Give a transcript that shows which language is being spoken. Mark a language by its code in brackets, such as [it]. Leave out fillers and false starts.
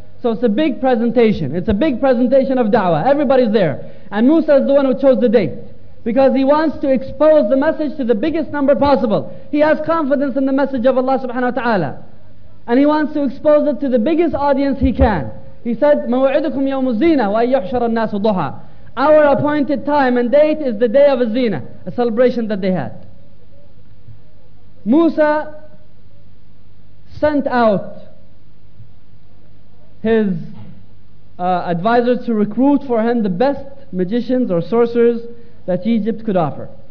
[en] So it's a big presentation. It's a big presentation of da'wah. Everybody's there. And Musa is the one who chose the date, because he wants to expose the message to the biggest number possible. He has confidence in the message of Allah subhanahu wa ta'ala. And he wants to expose it to the biggest audience he can. He said, [ar] "مَوَعِدُكُمْ يَوْمُ الزِّينَةِ وَأَيَّحْشَرَ النَّاسُ ضُحَى." [en] Our appointed time and date is the day of Zina, a celebration that they had. Musa sent out his advisor to recruit for him the best magicians or sorcerers that Egypt could offer.